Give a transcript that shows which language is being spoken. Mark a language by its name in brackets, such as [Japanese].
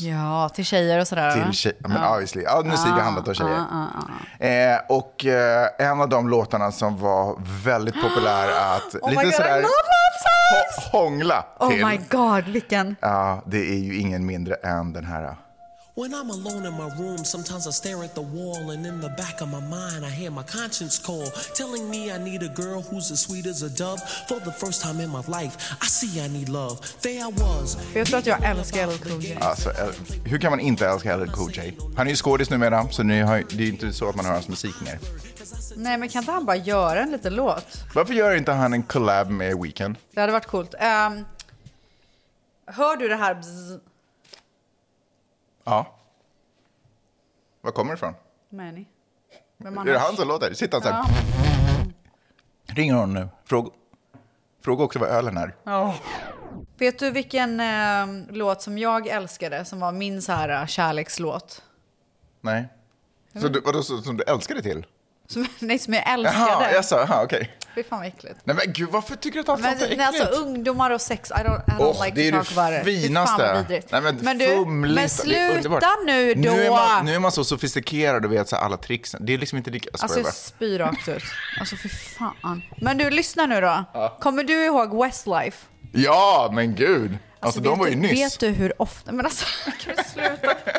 [Swedish] Ja, till tjejer och sådär. Till men [English] obviously. [Swedish] Ja, nu ser jag handlat av tjejer. Och en av de låtarna som var väldigt populär att lite sådär hångla till. [English] Oh my god, [Swedish] vilken. Ja, det är ju ingen mindre än den här. [English] When I'm alone in my room, sometimes I stare at the wall, and in the back of my mind, I hear my conscience call, telling me I need a girl who's as sweet as a dove. For the first time in my life, I see I need love. There I was. [Swedish] Jag tror att jag älskar LL Cool J. Alltså, hur kan man inte älska LL Cool J? Han är ju skådis numera, så nu har, det är inte så att man hör hans musik mer. Nej, men kan inte han bara göra en liten låt? Varför gör inte han en collab med Weeknd? Det hade varit coolt. Hör du det här? Ja. Var kommer det ifrån? Manny. Är det han som låter? Sitter han så här. Ja. Ringer hon nu. Fråga också vad ölen är. Oh. Vet du vilken låt som jag älskade som var min så här kärlekslåt? Nej. Så du, vadå, som du älskade till? Nej, som jag älskade. Jaha, jag sa, aha, okej. Fy fan vad äckligt. Nej, men gud, varför tycker du att allt sånt är äckligt? Nej, alltså ungdomar och sex, [English] I don't like to talk about it. [Swedish] Det är det finaste. Nej, men du, fumligt. Men sluta nu då. Nu är man så sofistikerad och vet så alla tricksen. Det är liksom inte lika... Alltså jag spyr rakt ut. Alltså fy fan. Men du, lyssna nu då. Ja. Kommer du ihåg Westlife? Ja, men gud. Alltså de var ju nyss. Vet du hur ofta... Men alltså, kan du sluta?